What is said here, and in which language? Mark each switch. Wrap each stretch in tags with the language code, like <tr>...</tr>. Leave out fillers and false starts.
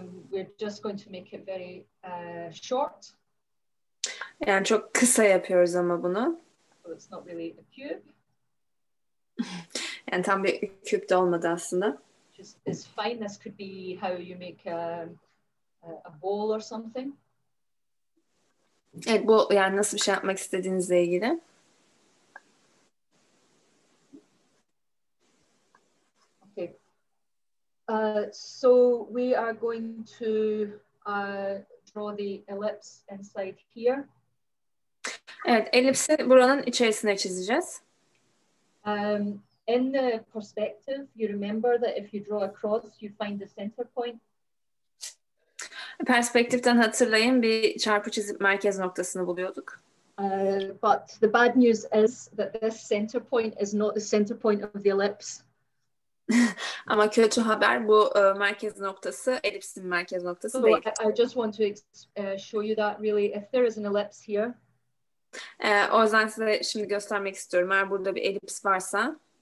<en>We're just going to make it very short.</en> <tr>Yani çok kısa yapıyoruz ama bunu.</tr> <en>So it's not really a cube.</en> <tr>Yani tam bir küp de olmadı aslında.</tr> <en>Just as fine as could be how you make a bowl or something.</en> <tr>Evet, bu yani nasıl bir şey yapmak istediğinizle ilgili.</tr> <en>Okay. So we are going to draw the ellipse inside here.</en> <tr>Evet, elipsi buranın içerisine çizeceğiz.</tr> <en>In the perspective, you remember that if you draw a cross, you find the center point.</en> <tr>Perspektiften hatırlayın, bir çarpı çizip merkez noktasını buluyorduk.</tr> <en>But the bad news is that this center point is not the center point of the ellipse.</en> <tr>Ama kötü haber, bu merkez noktası elipsin merkez noktası değil.</tr> <en>So I just want to show you that really, if there is an ellipse here.</en> <tr>O yüzden size şimdi göstermek istiyorum. Eğer burada bir elips varsa,</tr>